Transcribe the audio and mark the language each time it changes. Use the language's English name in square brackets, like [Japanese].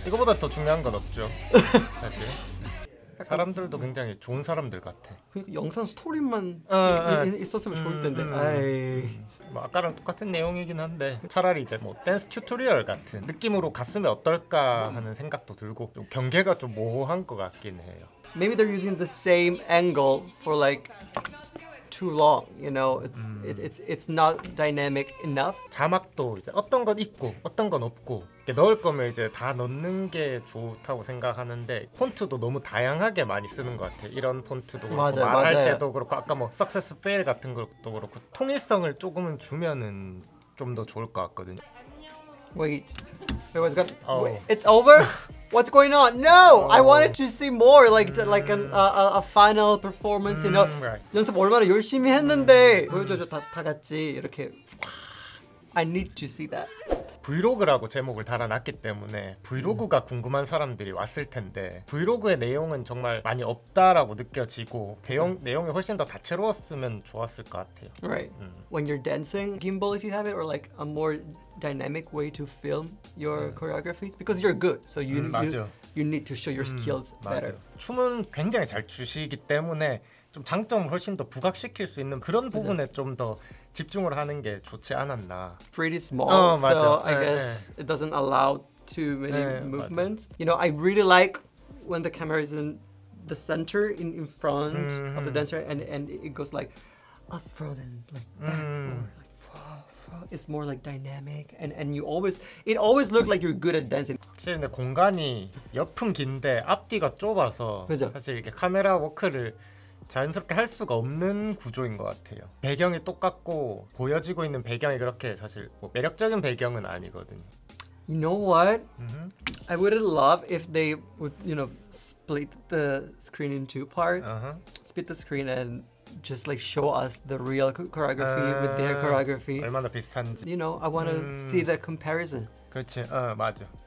[Korean] 이거보다 더 중요한 건 없죠. 사실 사람들도 굉장히 좋은 사람들 같아. 영상 스토리만 있었으면 좋을 텐데. 뭐 아까랑 똑같은 내용이긴 한데 차라리 이제 뭐 댄스 튜토리얼 같은 느낌으로 갔으면 어떨까 하는 생각도 들고, 좀 경계가 좀 모호한 것 같긴 해요. [English] Maybe they're using the same angle for like too long. You know, it's not dynamic enough. [Korean] 자막도 이제 어떤 건 있고 어떤 건 없고. 넣을 거면 이제 다 넣는 게 좋다고 생각하는데 폰트도 너무 다양하게 많이 쓰는 것 같아요. 이런 폰트도 그렇고 맞아요, 말할 맞아요. 때도 그렇고 아까 뭐 [English] success fail [Korean] 같은 것도 그렇고 통일성을 조금은 주면은 좀 더 좋을 것 같거든요. [English] Wait, it was good. Oh. Wait, it's over? What's going on? No, I wanted to see more, like a final performance. You know, right. [Korean] 연습 얼마나 열심히 했는데 보여줘줘 다 같이 이렇게. [English] I need to see that. [Korean] 브이로그라고 제목을 달아놨기 때문에 브이로그가 궁금한 사람들이 왔을 텐데 브이로그의 내용은 정말 많이 없다라고 느껴지고 내용이 훨씬 더 다채로웠으면 좋았을 것 같아요. [English] Right. When you're dancing, gimbal if you have it, or like a more dynamic way to film your choreographies, because you're good, so you need to show your skills better. [Korean] 춤은 굉장히 잘 추시기 때문에 좀 장점을 훨씬 더 부각시킬 수 있는 그런 부분에 좀 더 집중을 하는 게 좋지 않았나. [English] Pretty small. So I guess it doesn't allow too many movements. [Korean] 맞아. [English] You know, I really like when the camera is in the center in front of the dancer and it goes like up front and like back. It's more like dynamic and you always it always looks like you're good at dancing. [Korean] 사실 근데 공간이 옆은 긴데 앞뒤가 좁아서 그죠? 사실 이렇게 카메라 워크를 자연스럽게 할 수가 없는 구조인 것 같아요. 배경이 똑같고 보여지고 있는 배경이 그렇게 사실 뭐 매력적인 배경은 아니거든요. [English] You know what? Mm-hmm. I would love if they would, you know, split the screen in two parts. Uh-huh. Split the screen and just like show us the real choreography with their choreography. [Korean] 얼마나 비슷한지. [English] You know, I want to see the comparison. [Korean] 그렇지, 어, 맞아.